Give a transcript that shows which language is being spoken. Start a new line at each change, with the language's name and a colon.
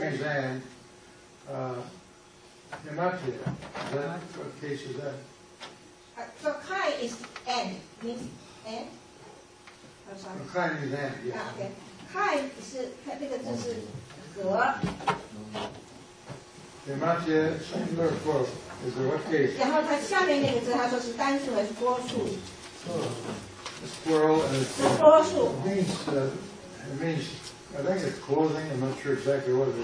English: Which means and. Emati, then what case is that? So Kai is and, means and? I'm sorry. Kai means and, yeah. Okay. Kai is, that
Chinese: 这个就是和.
English: Emati, single or plural, is there what case?
Chinese: 然后它下面那个字，他说是单数还是多数？
English: It's plural and it's. It's plural. It means, I think it's clothing, I'm not sure exactly what it is.